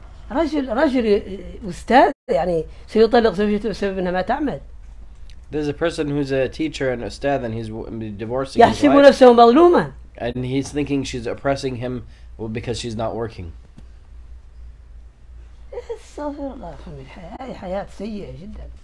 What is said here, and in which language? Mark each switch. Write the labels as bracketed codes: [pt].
[ar] رجل أستاذ، يعني سيطلق زوجته بسبب أنها ما تعمل. [en] There's a person who's a teacher and a ustadh and he's divorcing. [ar] يحسب نفسه مظلوما. [en] And he's thinking she's oppressing him because she's not working. [ar] استغفر الله، هاي حياة سيئة جدا.